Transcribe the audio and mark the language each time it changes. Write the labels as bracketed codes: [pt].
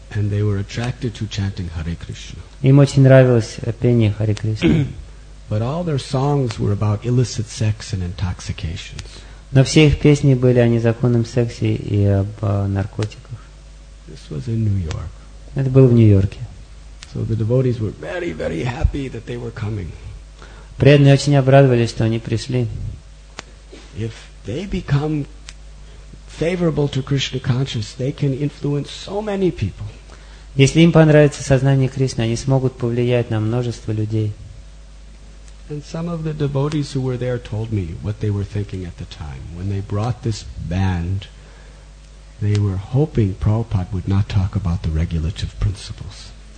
[en] And they were attracted to chanting Hare Krishna. [ru] Им очень нравилось пение Харе Кришна. [en] But all their songs were about illicit sex and intoxications. [ru] Но все их песни были о незаконном сексе и об наркотиках. [en] This was in New York. [ru] Это было в Нью-Йорке. [en] So the devotees were very, very happy that they were coming. [ru] Преданные очень обрадовались, что они пришли. [en] If they become favorable to Krishna consciousness, they can influence so many people. [ru] Если им понравится сознание Кришны, они смогут повлиять на множество людей. [en] And some of the devotees who were there told me what they were thinking at the time. When they brought this band, they were hoping Prabhupada would not talk about the regulative principles.